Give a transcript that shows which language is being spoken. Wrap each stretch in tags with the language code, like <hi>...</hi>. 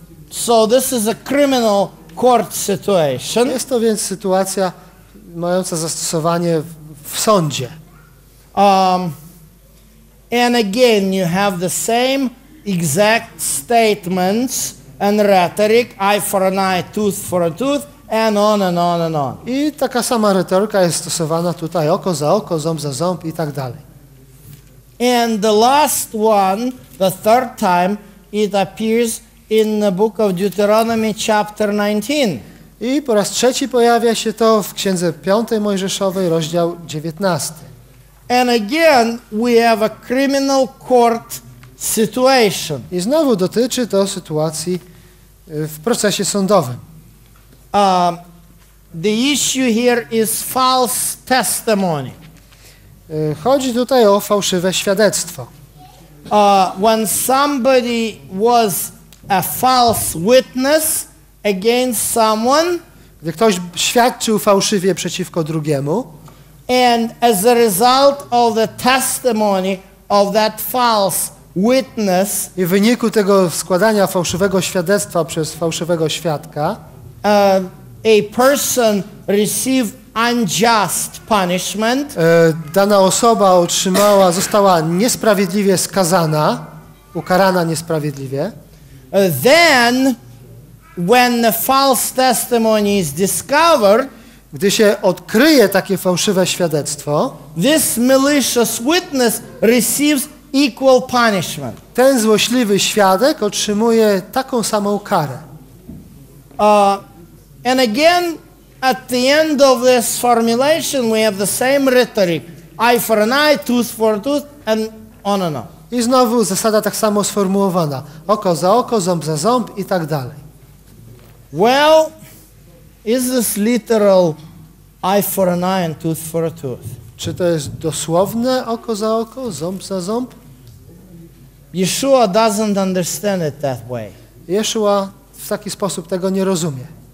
<en>So this is a criminal court situation.</en> <pl>Jest to więc sytuacja mająca zastosowanie w sądzie.</pl> <en>And again you have the same exact statements and rhetoric, eye for an eye, tooth for a tooth, and on and on and on.</en> <pl>I taka sama retoryka jest stosowana tutaj, oko za oko, ząb za ząb i tak dalej.</pl> <en>And the last one, the third time, it appears in the book of Deuteronomy chapter 19.</en> <pl>I po raz trzeci pojawia się to w Księdze Piątej Mojżeszowej, rozdział 19.</pl> <en>And again, we have a criminal court situation.</en> <pl>I znowu dotyczy to sytuacji w procesie sądowym.</pl> <en>The issue here is false testimony.</en> <pl>Chodzi tutaj o fałszywe świadectwo.</pl> <en>When somebody was a false witness against someone,</en> <pl>gdy ktoś świadczył fałszywie przeciwko drugiemu,</pl> <en>and as a result of the testimony of that false witness,</en> <pl>i w wyniku tego składania fałszywego świadectwa przez fałszywego świadka,</pl> <en>A person received unjust punishment.</en> <pl>Dana osoba otrzymała, została niesprawiedliwie skazana, ukarana niesprawiedliwie.</pl> <en>Then, when the false testimony is discovered,</en> <pl>gdy się odkryje takie fałszywe świadectwo,</pl> <en>this malicious witness receives equal punishment.</en> <pl>Ten złośliwy świadek otrzymuje taką samą karę.</pl> <en>And again, at the end of this formulation, we have the same rhetoric: eye for an eye, tooth for a tooth, and on and on.</en> <pl>I znowu zasada tak samo sformułowana: oko za oko, ząb za ząb, i tak dalej.</pl> <en>Well, is this literal eye for an eye and tooth for a tooth?</en> <pl>Czy to jest dosłowne oko za oko, ząb za ząb?</pl> <en>Yeshua doesn't understand it that way.</en> <pl>Yeshua w taki sposób tego nie rozumie.</pl>